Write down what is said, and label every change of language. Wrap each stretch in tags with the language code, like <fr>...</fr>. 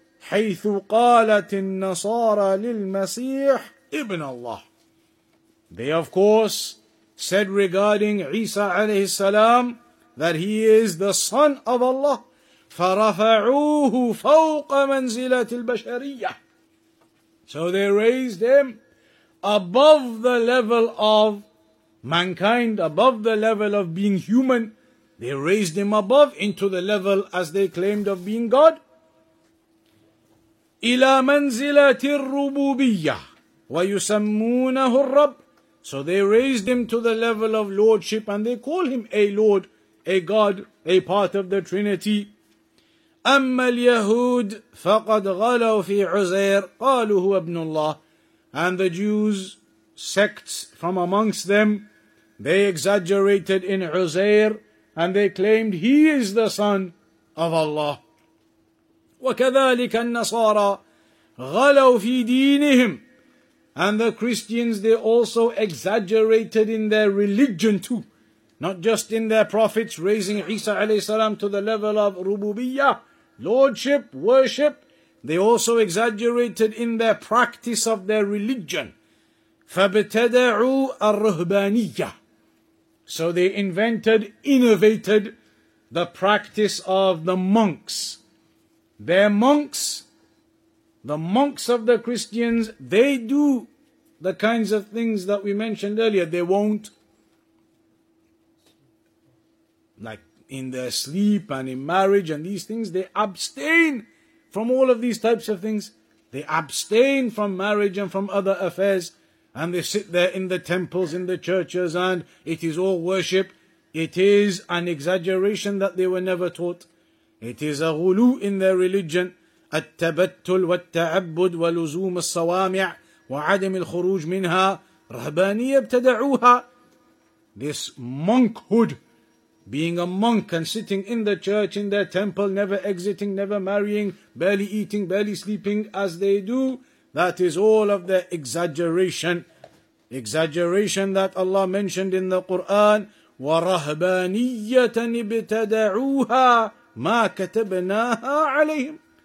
<ar>حيث قالت النصارى للمسيح ابن الله.</ar> <en>They of course said regarding Isa عليه السلام that he is the son of Allah.</en> <ar>فرفعوه فوق منزلة البشرية.</ar> <en>So they raised him above the level of mankind, above the level of being human. They raised him above into the level, as they claimed, of being God.</en> <ar>إلى منزلة الربوبية ويسمونه الرب.</ar> <en>So they raised him to the level of lordship and they call him a lord, a god, a part of the Trinity.</en> <ar>أما اليهود فقد غلوا في عزير قالوا هو ابن الله.</ar> <en>And the Jews, sects from amongst them, they exaggerated in عزير and they claimed he is the son of Allah.</en> <ar>وكذلك النصارى غلوا في دينهم.</ar> <en>And the Christians, they also exaggerated in their religion too. Not just in their prophets, raising Isa alayhi salam to the level of rububiyyah, lordship, worship. They also exaggerated in their practice of their religion.</en> <ar>فابتدعوا الرهبانية.</ar> <en>So they innovated the practice of the monks. Their monks, the monks of the Christians, they do the kinds of things that we mentioned earlier. They won't, like in their sleep and in marriage and these things, they abstain from all of these types of things. They abstain from marriage and from other affairs. And they sit there in the temples, in the churches, and it is all worship. It is an exaggeration that they were never taught. It is a ghulu in their religion.</en> <ar>التبتل والتعبد ولزوم الصوامع وعدم الخروج منها رهبانية ابتدعوها.</ar> <en>This monkhood being a monk and sitting in the church, in their temple, never exiting, never marrying, barely eating, barely sleeping as they do, that is all of the exaggeration. Exaggeration that Allah mentioned in the Quran,</en> <ar>وَرَهْبَانِيَّةً ابْتَدَعُوهَا مَا كَتَبْنَاهَا عَلَيْهِمْ.</ar>